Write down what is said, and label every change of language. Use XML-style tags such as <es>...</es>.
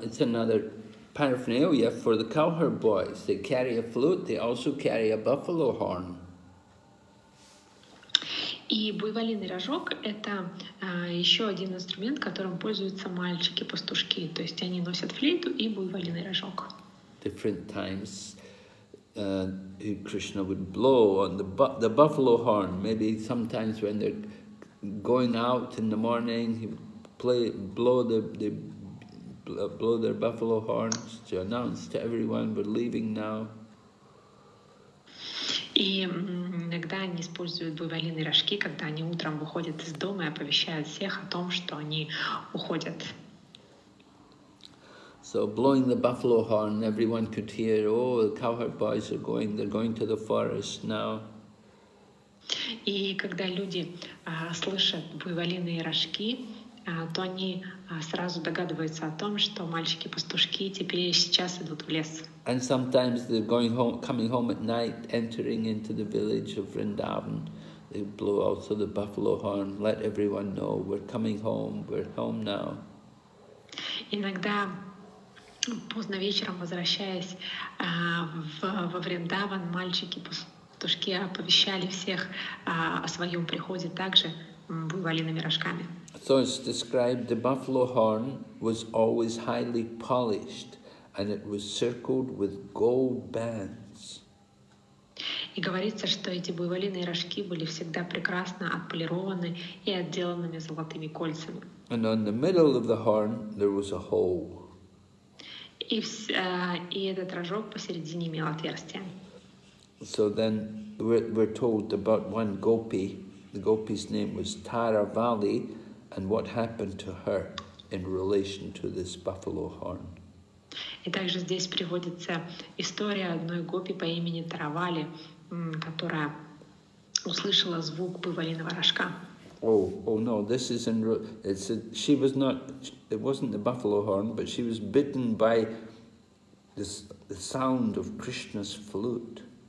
<en>It's another paraphernalia for the cowherd boys. They carry a flute. They also carry a buffalo horn.</en> <ru>И буйволиный рожок — это еще один инструмент, которым пользуются мальчики-пастушки. То есть они носят флейту и буйволиный рожок.</ru> <en>Different times Krishna would blow on the buffalo horn. Maybe sometimes when they're going out in the morning, he would blow their buffalo horns to announce to everyone we're leaving now.</en> <ru>И иногда они используют буйволиные рожки, когда они утром выходят из дома и оповещают всех о том, что они уходят.</ru> <en>So blowing the buffalo horn, everyone could hear. Oh, the cowherd boys are going. They're going to the forest now.</en> <ru>И когда люди слышат буйволиные рожки, то они сразу догадываются о том, что мальчики-пастушки теперь сейчас идут в лес.</ru> <en>And sometimes they're going home, coming home at night, entering into the village of Vrindavan. They blow also the buffalo horn, let everyone know, we're coming home, we're home now.</en> <ru>Иногда поздно вечером, возвращаясь во Вриндаван, мальчики-пастушки оповещали всех о своем приходе также буйволиными рожками.</ru> <en>So it's described the buffalo horn was always highly polished and it was circled with gold bands.</en> <ru>И говорится, что эти буйволиные рожки были всегда прекрасно отполированы и отделанными золотыми кольцами.</ru> <en>And on the middle of the horn there was a hole.</en> <ru>И этот рожок посередине имел отверстие.</ru> <en>So then we're told about one gopi. The gopi's name was Taravali. And what happened to her in relation to this buffalo horn?</en> <ru>И также здесь приводится история одной гопи по имени Таравали, которая услышала звук буйволиного рожка.</ru> <en>Oh no! This is in. It's a, she was not. It wasn't the buffalo horn, but she was bitten by the sound of Krishna's flute.</en>